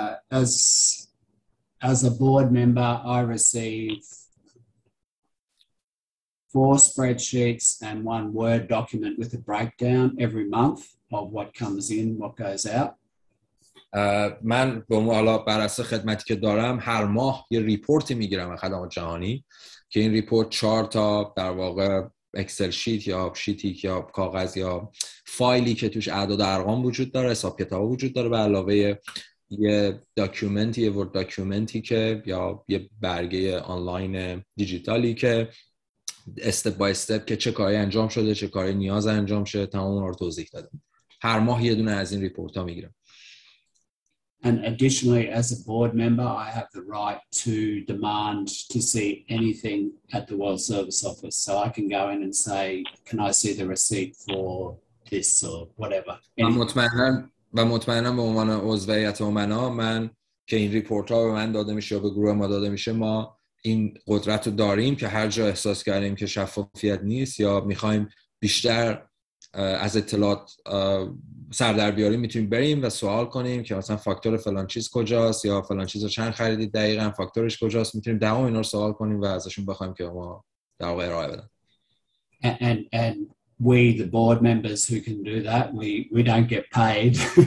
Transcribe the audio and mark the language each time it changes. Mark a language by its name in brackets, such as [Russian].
[English] As a board member I receive 4 spreadsheets and 1 word document with a breakdown every month of what comes in, what goes out. [Persian] من به حالا بر اساس خدمتی که دارم هر ماه یه ریپورتی میگیرم از خدمات جهانی که این ریپورت 4 تا در واقع اکسل شیت یا شیتی یا کاغذ یا فایلی که توش اعداد و ارقام وجود داره، حساب کتاب وجود داره، به علاوه یه داکیومنتی، یه ورد داکیومنتی که یا یه برگه آنلاین دیجیتالی که استپ بای استپ که چه کاری انجام شده، چه کاری نیاز انجام شده، تمام اون رو توضیح داده. هر ماه یه دونه از این ریپورت ها میگیرم. [English] And additionally, as a board member, I have the right to demand to see anything at the World Service Office. So I can go in and say, can I see the receipt for this or whatever. [Persian] و مطمئنم به عنوان عضو هیئت امنا من که این ریپورت ها به من داده میشه یا به گروه ما داده میشه، ما این قدرت رو داریم که هر جا احساس کردیم که شفافیت نیست یا میخواییم بیشتر از اطلاعات سردر بیاریم، میتونیم بریم و سوال کنیم که مثلا فاکتور فلان چیز کجاست یا فلان چیز رو چند خریدید دقیقا، فاکتورش کجاست، میتونیم دوام اینا رو سوال کنیم و ازشون بخوایم که ما در واقع ارائه بدن. [English] And we the board members who can do that, we don't get paid.